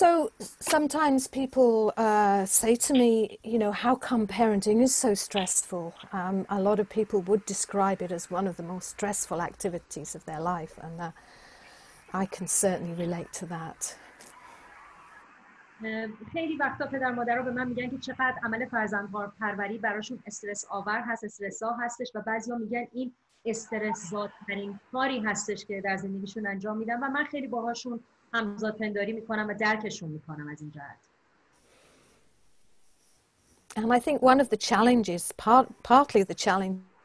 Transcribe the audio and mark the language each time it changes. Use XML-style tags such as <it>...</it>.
<en>So sometimes people say to me, you know, how come parenting is so stressful? A lot of people would describe it as one of the most stressful activities of their life, and I can certainly relate to that.</en> <fa>خیلی وقتا پدر مادرها به من میگن که چقدر عمل فرزند پروری براشون استرس آور هست، استرس ها هستش، و بعضیا میگن این استرس زادترین کاری هستش که در زندگیشون انجام میدن، و من خیلی باهاشون همزادپنداری میکنم و درکشون میکنم از این جهت.</fa> <en>And I think one of the challenges, partly the challenge,</en>